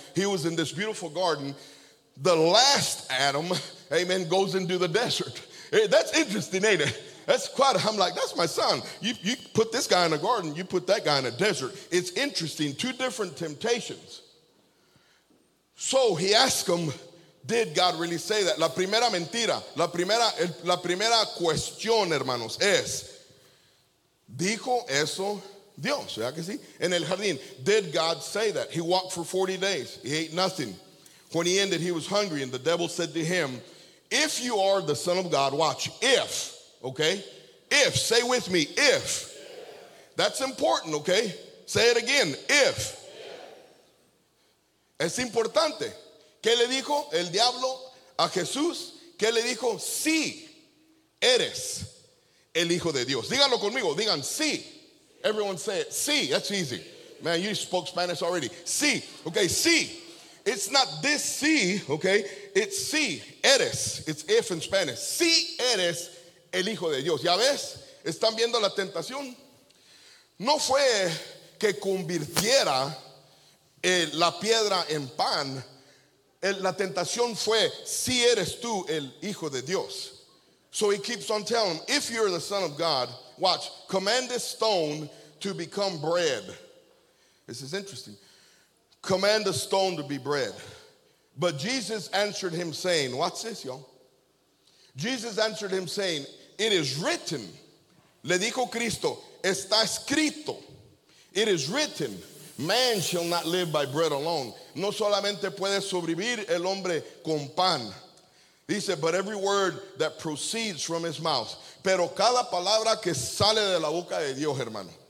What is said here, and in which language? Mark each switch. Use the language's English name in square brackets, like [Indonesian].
[English] He was in this beautiful garden. The last Adam, amen, goes into the desert. That's interesting, ain't it? That's quite, I'm like, that's my son. You put this guy in a garden, you put that guy in a desert. It's interesting, two different temptations. So he asked him, did God really say that? [Spanish] La primera mentira, la primera cuestión, hermanos, es, ¿dijo eso Dios? ¿Verdad que sí? En el jardín, [English] did God say that? He walked for 40 days. He ate nothing. When he ended, he was hungry, and the devil said to him, if you are the Son of God, watch, if, okay? If, say with me, if. That's important, okay? Say it again, if. [Spanish] Es importante. ¿Qué le dijo el diablo a Jesús? ¿Qué le dijo? Sí, eres el Hijo de Dios. Díganlo conmigo. Digan, sí. [English] Everyone say it. [Spanish] Sí. [English] That's easy. Man, you spoke Spanish already. Sí. Okay, sí. It's not this sí, okay? [Spanish] It's sí, eres. [English] It's if in Spanish. [Spanish] Sí, eres el Hijo de Dios. ¿Ya ves? ¿Están viendo la tentación? No fue que convirtiera la piedra en pan. La tentación fue, si eres tú el Hijo de Dios. [English] So he keeps on telling him, if you're the Son of God, watch, command this stone to become bread. This is interesting. Command the stone to be bread. But Jesus answered him saying, watch this, y'all. Jesus answered him saying, it is written. [Spanish] Le dijo Cristo, está escrito. [English] It is written. Man shall not live by bread alone. [Spanish] No solamente puede sobrevivir el hombre con pan. [English] He said, but every word that proceeds from his mouth. [Spanish] Pero cada palabra que sale de la boca de Dios, hermano.